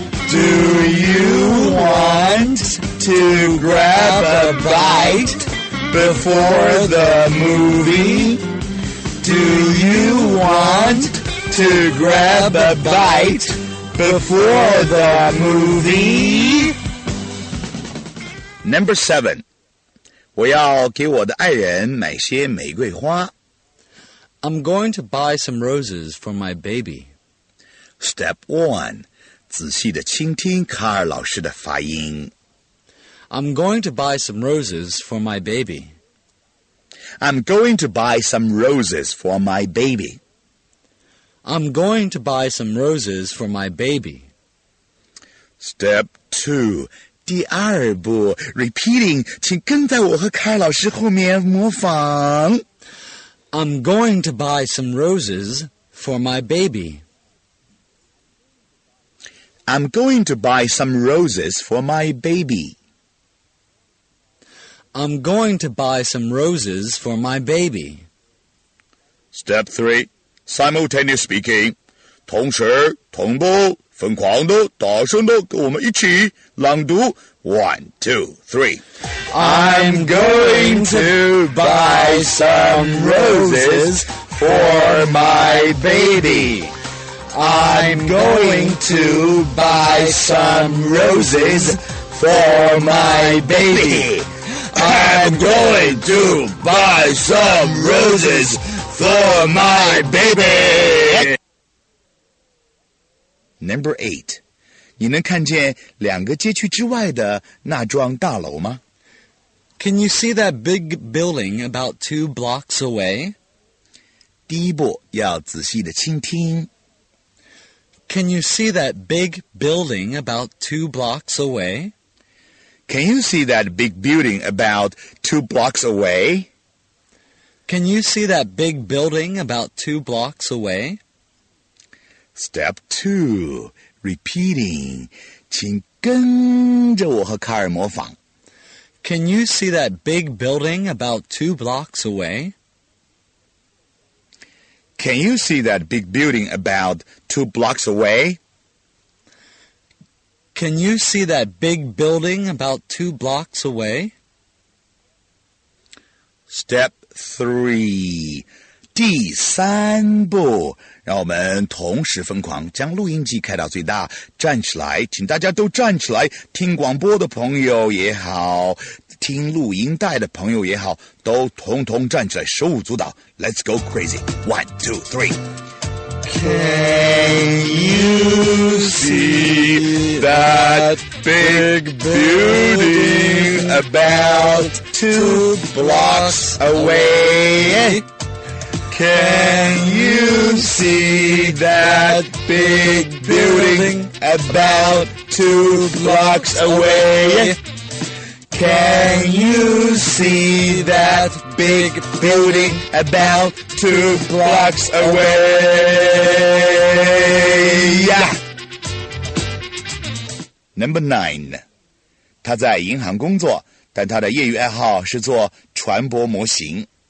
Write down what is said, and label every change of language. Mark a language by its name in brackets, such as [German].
[English] Do you want to grab a bite before the movie? Do you want to grab a bite before the movie? Number 7. [Chinese] 我要给我的爱人买些玫瑰花。 [English] I'm going to buy some roses for my baby. Step 1. [Chinese] 仔细地倾听卡尔老师的发音。 [English] I'm going to buy some roses for my baby. I'm going to buy some roses for my baby. I'm going to buy some roses for my baby. Step 2, [Chinese] 第二步 ， [English] repeating， [Chinese] 请跟在我和卡尔老师后面模仿。 [English] I'm going to buy some roses for my baby. I'm going to buy some roses for my baby. I'm going to buy some roses for my baby. Step 3. Simultaneous speaking. [Chinese] 同时同步疯狂的大声的跟我们一起朗读 1, 2, 3. [English] I'm going to buy some roses for my baby. I'm going to buy some roses for my baby. I'm going to buy some roses for my baby. Number 8. [Chinese] 你能看见两个街区之外的那幢大楼吗？ [English] Can you see that big building about 2 blocks away? [Chinese] 第一步要仔细地倾听。 [English] Can you see that big building about 2 blocks away? Can you see that big building about 2 blocks away? Can you see that big building about 2 blocks away? Step 2, repeating. [Chinese] 请跟着我和卡尔模仿。 [English] Can you see that big building about 2 blocks away? Can you see that big building about 2 blocks away? Can you see that big building about 2 blocks away? Step 3, [Chinese] 第三步，让我们同时疯狂，将录音机开到最大，站起来，请大家都站起来，听广播的朋友也好，听录音带的朋友也好，都统统站起来，手舞足蹈。 [English] Let's go crazy. 1, 2, 3. Can you see that big building about 2 blocks away? Can you see that big building about 2 blocks away? Can you see that big building about 2 blocks away? Yeah. Number 9. [Chinese] 他在银行工作，但他的业余爱好是做船舶模型。